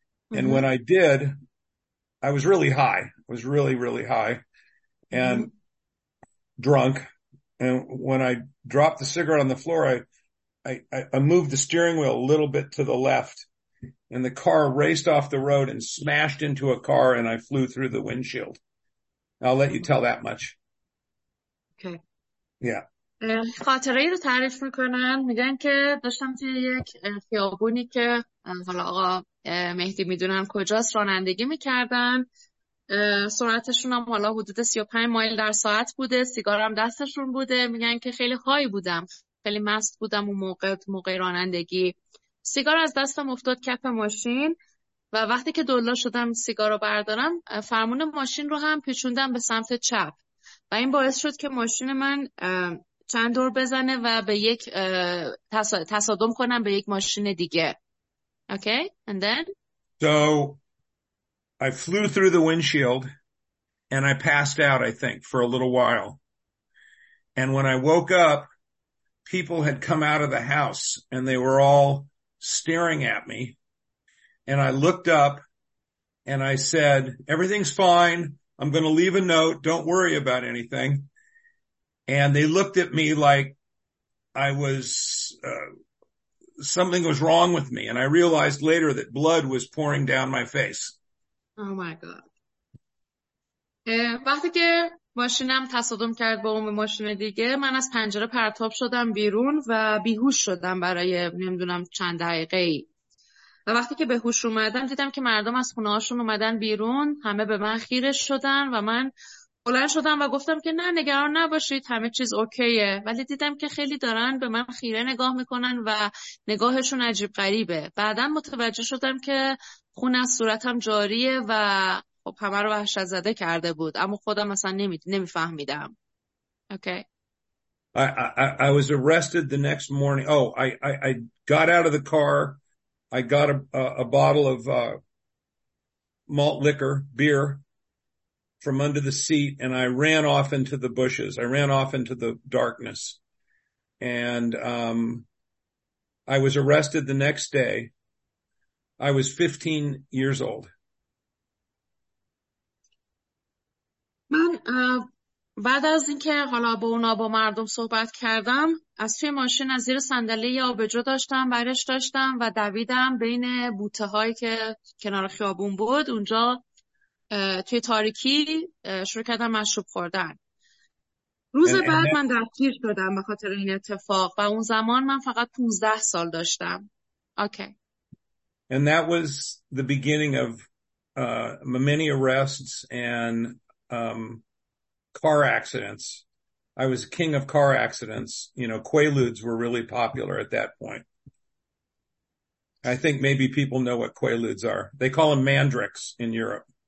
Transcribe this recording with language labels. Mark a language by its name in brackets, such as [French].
[English] And when I did, I was really high. I was really, really high and drunk. And when I dropped the cigarette on the floor, I moved the steering wheel a little bit to the left and the car raced off the road and smashed into a car and I flew through the windshield. I'll let you tell that much. Okay. Yeah. [Persian] خاطره ای رو تعریف میکنن، میگن که داشتم توی یک خیابونی که حالا آقا مهدی میدونن کجاست رانندگی میکردن، سرعتشون هم حالا حدود 35 مایل در ساعت بوده، سیگارم دستشون بوده، میگن که خیلی های بودم، خیلی مست بودم اون موقع، موقع رانندگی سیگار از دستم افتاد کف ماشین و وقتی که دولا شدم سیگار رو بردارم فرمون ماشین رو هم پیچوندم به سمت چپ و این باعث شد که ماشین من چند دور بزنه و به یک تصادم کنم به یک ماشین دیگه. [English] Okay, and then? So, I flew through the windshield and I passed out, I think, for a little while. And when I woke up, people had come out of the house and they were all staring at me. And I looked up and I said, everything's fine. I'm going to leave a note. Don't worry about anything. And they looked at me like I was, something was wrong with me. And I realized later that blood was pouring down my face. Oh my God. [Persian] وقتی که ماشینم تصادم کرد با اون ماشین دیگه، من از پنجره پرتاب شدم بیرون و بیهوش شدم برای نمیدونم چند دقیقه ای. و وقتی که به هوش اومدم دیدم که مردم از خونه هاشون اومدن بیرون، همه به من خیره شدن و من بلند شدم و گفتم که نه نگران نباشید همه چیز اوکیه، ولی دیدم که خیلی دارن به من خیره نگاه میکنن و نگاهشون عجیب غریبه. بعدا متوجه شدم که خون از صورتم جاریه و خب همه رو وحشت زده کرده بود، اما خودم اصلا نمیفهمیدم. [English] Okay. I was arrested the next morning. Oh, I got out of the car. I got a bottle of malt liquor, beer, from under the seat, and I ran off into the bushes. I ran off into the darkness. And I was arrested the next day. I was 15 years old. [Persian] من بعد از اینکه حالا با اونا با مردم صحبت کردم، از توی ماشین از زیر صندلی آبجو داشتم، برش داشتم و دویدم بین بوته هایی که کنار خیابون بود. اونجا توی تاریکی شروع کردم مشروب خوردن. روز بعد من دستگیر شدم به خاطر این اتفاق و اون زمان من فقط 15 سال داشتم. [English] Okay. And that was the beginning of many arrests and car accidents. I was king of car accidents. You know, Quaaludes were really popular at that point. I think maybe people know what Quaaludes are. They call them mandrakes in Europe.